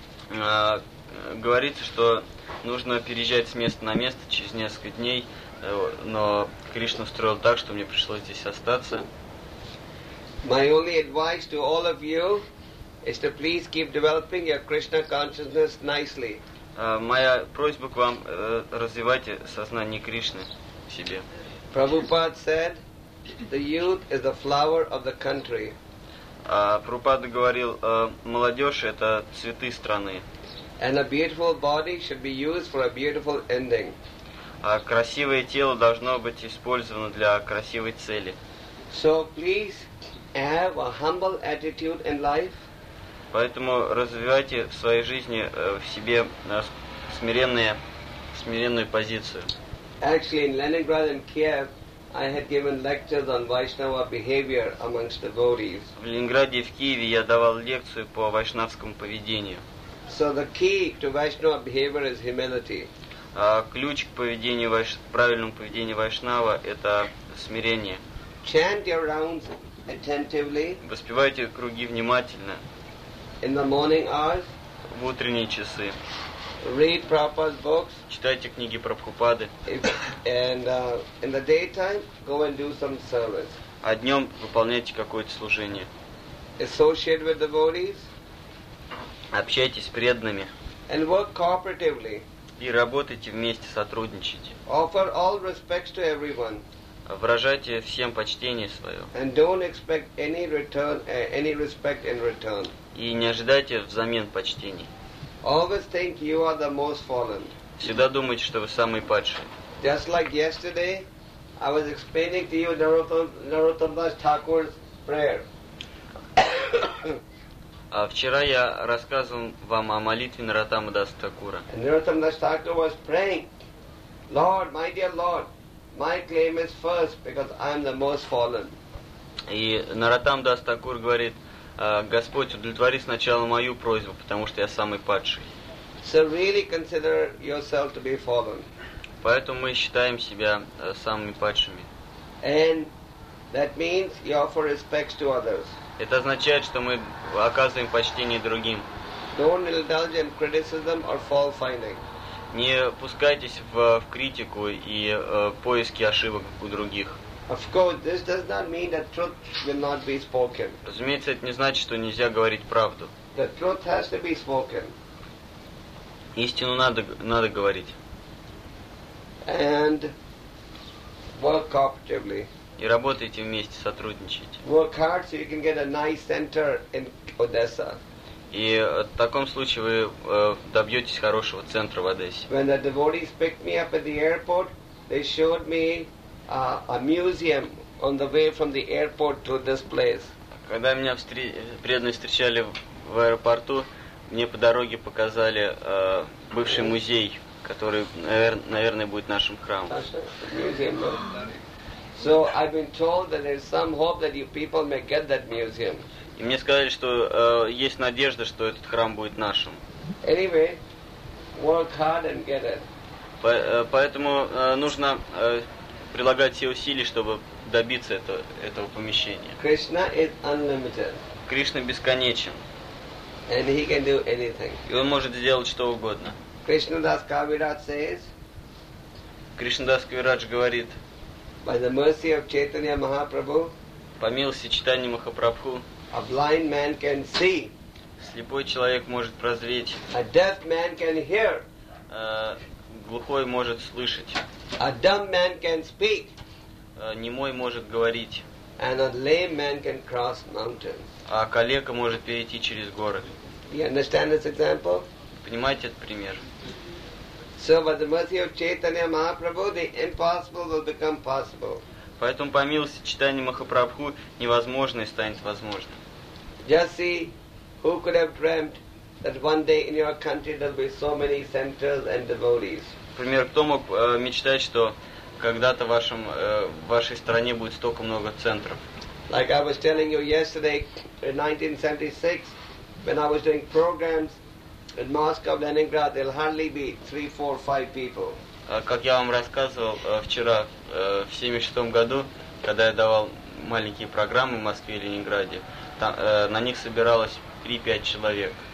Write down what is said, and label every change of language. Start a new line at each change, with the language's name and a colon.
Russian: Говорится, что нужно переезжать с места на место через несколько дней, но Кришна устроил так, что мне пришлось здесь остаться.
English: My only advice to all of you is to please keep developing your Krishna consciousness nicely.
Russian: Моя просьба к вам развивайте сознание Кришны в себе.
English: Prabhupada said, the youth is the flower of the country.
Russian: Прабхупада говорил, молодежь это цветы страны.
English: And a beautiful body should be used for a beautiful ending.
Russian: Красивое тело должно быть использовано для красивой цели.
English: So please have a humble attitude in life.
Russian: Поэтому развивайте в своей жизни в себе смиренную позицию.
English: Actually, in Leningrad and Kiev, I had given lectures on Vaishnava behavior amongst devotees.
Russian: В Ленинграде, в Киеве я давал лекцию по вайшнавскому поведению.
English: So the key to Vaishnava behavior is humility.
Russian: Ключ к поведению правильному поведению вайшнава это смирение.
English: Chant your rounds attentively.
Russian: Воспевайте круги внимательно.
English: In the morning hours.
Russian: В утренние часы.
English: Read Prabhupada's books.
Russian: Читайте книги Прабхупады.
English: And in the daytime, go and do some service.
Russian: А днем выполняйте какое-то служение.
English: Associate with devotees.
Russian: Общайтесь с преданными.
English: And work cooperatively.
Russian: И работайте вместе, сотрудничайте.
English: Offer all respects to everyone.
Russian: Выражайте всем почтение свое.
English: And don't expect any return, any respect in return.
Russian: И не ожидайте взамен почтений.
English: Always think you are the most fallen.
Russian: Всегда думайте, что вы самый падший.
English: Just like yesterday, I was explaining to you Narottam Das Thakur's prayer.
Russian: А вчера я рассказывал вам о молитве Нараттама Дас Такура.
English: And Narottam Das Thakur was praying, Lord, my dear Lord, my claim is first because I am the most fallen.
Russian: И Нараттам Дас Такур говорит. Господь, удовлетвори сначала мою просьбу, потому что я самый падший.
English: So really consider yourself to be fallen.
Russian: Поэтому мы считаем себя самыми падшими.
English: And that means you offer respects to others.
Russian: Это означает, что мы оказываем почтение другим.
English: Don't indulge in criticism or fault-finding.
Russian: Не пускайтесь в критику и поиски ошибок у других.
English: Of course, this does not mean that truth will not be spoken.
Russian: Разумеется, это не значит, что нельзя говорить правду.
English: The truth has to be spoken.
Russian: Истину надо говорить.
English: And work cooperatively.
Russian: И работайте вместе, сотрудничайте.
English: Work hard so you can get a nice center in Odessa.
Russian: И в таком случае вы добьетесь хорошего центра в Одессе.
English: When the devotees picked me up at the airport, they showed me a museum on the way from the airport to this place.
Russian: Когда меня преданные встречали в аэропорту, мне по дороге показали бывший музей, который, наверное, будет нашим храмом.
English: Museum. So I've been told that there's some hope that you people may get that museum.
Russian: И мне сказали, что есть надежда, что этот храм будет нашим.
English: Anyway, work hard and get it.
Russian: Поэтому нужно прилагать все усилия, чтобы добиться этого помещения.
English: Krishna is unlimited.
Russian: Кришна бесконечен.
English: And he can do anything.
Russian: И он может сделать что угодно.
English: Krishna Das Kaviraj says.
Russian: Кришна Дас Кавирадж говорит.
English: By the mercy of Chaitanya Mahaprabhu.
Russian: По милости Чайтаньи Махапрабху.
English: A blind man can see.
Russian: Слепой человек может прозреть.
English: A deaf man can hear.
Russian: Глухой может слышать.
English: A dumb man can speak.
Russian: Немой может говорить.
English: And a lame man can cross mountains.
Russian: А калека может перейти через горы.
English: You understand this example?
Russian: Понимаете этот пример?
English: So by the mercy of Chaitanya Mahaprabhu, the impossible will become possible.
Russian: Поэтому по милости Чайтаньи Махапрабху невозможное станет возможным.
English: Just see, who could have dreamt that one day in your country there will be so many centers and devotees?
Russian: Например, кто мог мечтать, что когда-то в вашей стране будет столько много центров?
English: Like I was telling you yesterday, in 1976, when I was doing programs in Moscow, Leningrad, there'll hardly be 3, 4, 5 people.
Russian: Как я вам рассказывал вчера, в 76 году, когда я давал маленькие программы в Москве и Ленинграде, на них собиралось 3-5 человек.